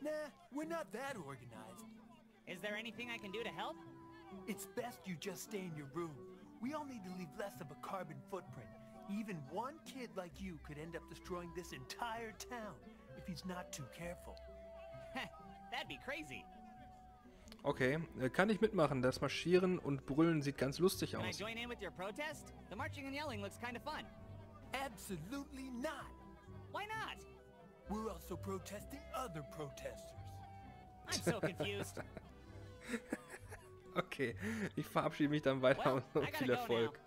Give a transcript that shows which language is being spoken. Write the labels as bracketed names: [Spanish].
[English] Nah, we're not that organized. Is there anything I can do to help? It's best you just stay in your room. We all need to leave less of a carbon footprint. Even one kid like you could end up destroying this entire town if he's not too careful. That'd be crazy. [German] Okay, kann ich mitmachen? Das Marschieren und Brüllen sieht ganz lustig aus. [English] Can I join in with your protest? The marching and yelling looks kind of fun. Absolutely not. Why not? We're also protesting other protesters. I'm so confused. [German] Okay, ich verabschiede mich dann weiter und viel Erfolg.